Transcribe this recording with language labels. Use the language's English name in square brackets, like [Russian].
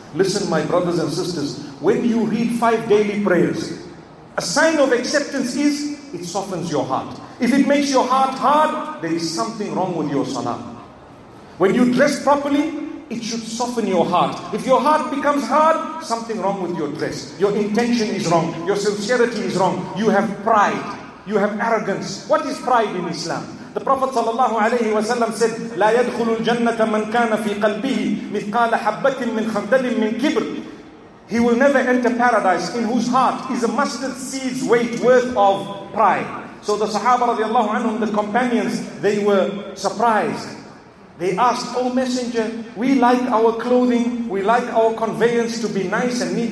[English] Listen, my brothers and sisters, when you read five daily prayers, a sign of acceptance is it softens your heart. If it makes your heart hard, there is something wrong with your salah. When you dress properly, it should soften your heart. If your heart becomes hard, something wrong with your dress. Your intention is wrong. Your sincerity is wrong. You have pride. You have arrogance. What is pride in Islam? The Prophet sallallahu alayhi wa sallam said, [Arabic] لَا يَدْخُلُ الْجَنَّةَ مَنْ كَانَ فِي قَلْبِهِ مِثْقَالَ حَبَّةٍ مِنْ خَرْدَلٍ مِنْ كِبْرٍ. [English] He will never enter paradise in whose heart is a mustard seed's weight worth of pride. So the Sahaba radiallahu anhum, the companions, they were surprised. They asked, oh messenger, we like our clothing, we like our conveyance to be nice and neat.